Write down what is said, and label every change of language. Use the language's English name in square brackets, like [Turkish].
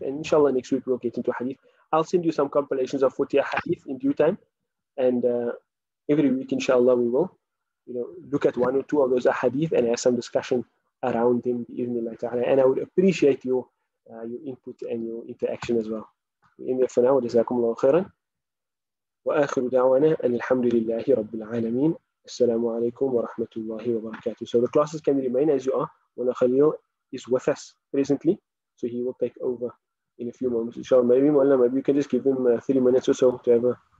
[English] And inshallah, next week we'll get into hadith. I'll send you some compilations of Futiha hadith in due time. And every week, inshallah, we will, you know, look at one or two of those hadith and have some discussion around them. And I would appreciate your input and your interaction as well. We end there for now. [Arabic] جزاكم الله خيرا. وآخر دعوانا أن الحمد لله رب العالمين. السلام عليكم ورحمة الله وبركاته. [English] So the classes can remain as you are. Mullah Khalil is with us presently, so he will take over in a few moments. Inshallah, maybe you can just give him 3 minutes or so to have a